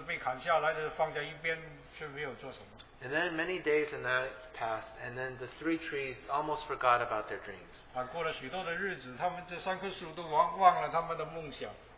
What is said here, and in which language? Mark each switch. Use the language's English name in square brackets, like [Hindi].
[Chinese] 第三棵树他就很不知道怎么样，就是被砍下来的放在一边，却没有做什么。 [English] And then many days and nights passed, and then the three trees almost forgot about their dreams. [Chinese] 过了许多的日子，他们这三棵树都忘了他们的梦想。